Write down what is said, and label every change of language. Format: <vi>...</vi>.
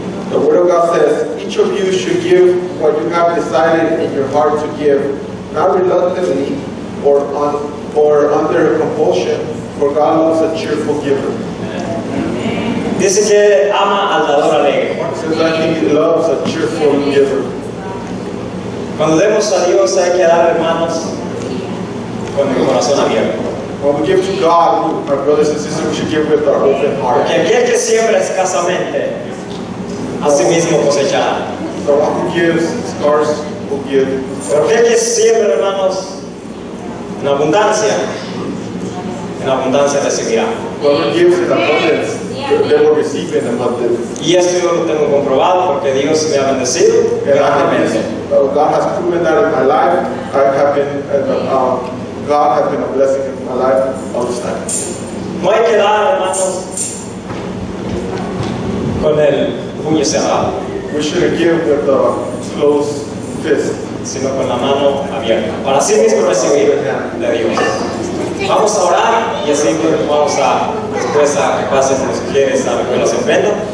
<en>The Word of God says, each of you should give what you have decided in your heart to give, not reluctantly or under compulsion, for God loves a cheerful giver.</en> <es>Dice que ama al dador alegre.</es> <en>It says that he loves a cheerful giver.</en> <es>Cuando demos a Dios hay que dar, hermanos, con el corazón abierto.</es> <en>When we give to God, our brothers and sisters, we should give with our open heart.</en> <es>Porque aquel que siembra escasamente, así mismo cosechará.</es> <en>So one who gives, scarce will give.</en> <es>Pero aquel que siembra, hermanos, en abundancia recibirá.</es> <en>When we give in abundance, they will receive in abundance.</en> <es>Y esto yo lo tengo comprobado porque Dios me ha bendecido grandemente.</es> <en>God has proven that in my life, God has been a blessing in my life all this time.</en> <es>No hay que dar, hermanos, con el puño cerrado.</es> <en>We shouldn't give with the closed fist,</en> <es>sino con la mano abierta. Para así mismo recibir de Dios. Vamos a orar y así vamos a después a que pasen los quieres a que los emprenda.</es>